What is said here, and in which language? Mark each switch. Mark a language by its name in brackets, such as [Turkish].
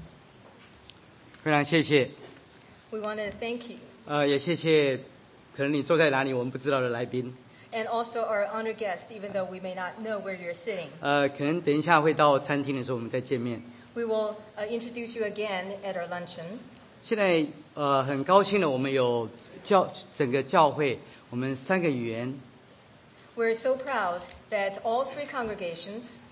[Chinese] 先祝福你们每一位。非常谢谢。We [English] want to thank you. [Chinese] 也谢谢可能你坐在哪里我们不知道的来宾。 [English] And also our honored guest, even though we may not know where you're sitting. [Chinese] 可能等一下会到餐厅的时候我们再见面。We [English] will introduce you again at our luncheon. [Chinese] 现在很高兴的我们有整个教会，我们三个语言。We're [English] so proud that all three congregations.